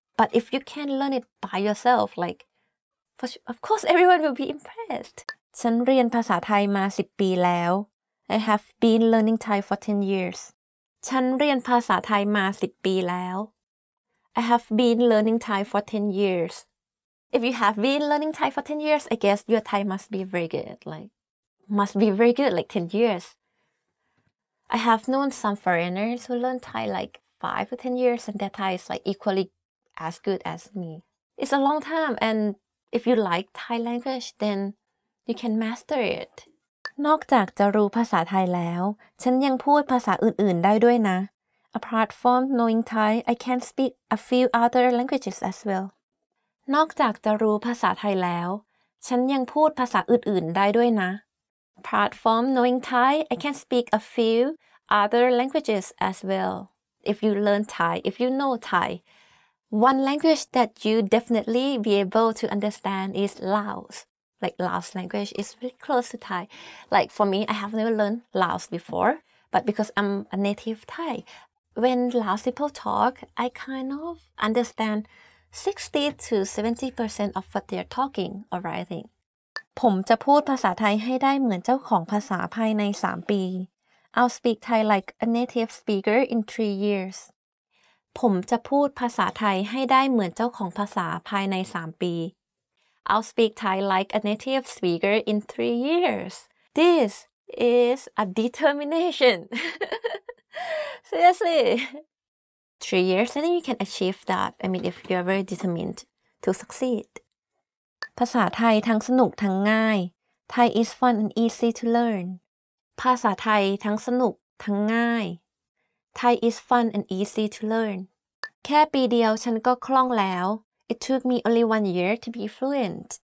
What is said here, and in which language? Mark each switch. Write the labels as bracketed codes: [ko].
[en] But if you can learn it by yourself, like for sure, of course everyone will be impressed. [th] ฉันเรียนภาษาไทยมา10ปีแล้ว [en] I have been learning Thai for 10 years. [th] ฉันเรียนภาษาไทยมา10ปีแล้ว [en] I have been learning Thai for 10 years. If you have been learning Thai for 10 years, I guess your Thai must be very good. Like, must be very good, like 10 years. I have known some foreigners who learn Thai like 5 or 10 years, and their Thai is like equally as good as me. It's a long time, and if you like Thai language, then you can master it. [th] นอกจากจะรู้ภาษาไทยแล้วฉันยังพูดภาษาอื่นๆได้ด้วยนะ [en] Apart from knowing Thai, I can speak a few other languages as well. [th] นอกจากจะรู้ภาษาไทยแล้วฉันยังพูดภาษาอื่นๆได้ด้วยนะ [en] Apart from knowing Thai, I can speak a few other languages as well. If you learn Thai, if you know Thai, one language that you definitely be able to understand is Laos. Like Laos language is really close to Thai. Like for me, I have never learned Laos before, but because I'm a native Thai,When Laos people talk, I kind of understand 60 to 70% of what they're talking or writing. [th] ผมจะพูดภาษาไทยให้ได้เหมือนเจ้าของภาษาภายใน 3 ปี [en] I'll speak Thai like a native speaker in 3 years. [th] ผมจะพูดภาษาไทยให้ได้เหมือนเจ้าของภาษาภายใน 3 ปี [en] I'll speak Thai like a native speaker in 3 years. This is a determination. Seriously. 3 years, and then you can achieve that. I mean, if you are very determined to succeed. [th] ภาษาไทยทั้งสนุกทั้งง่าย [en] Thai is fun and easy to learn. [th] ภาษาไทยทั้งสนุกทั้งง่าย [en] Thai is fun and easy to learn. [th] แค่ปีเดียวฉันก็คล่องแล้ว [en] It took me only 1 year to be fluent.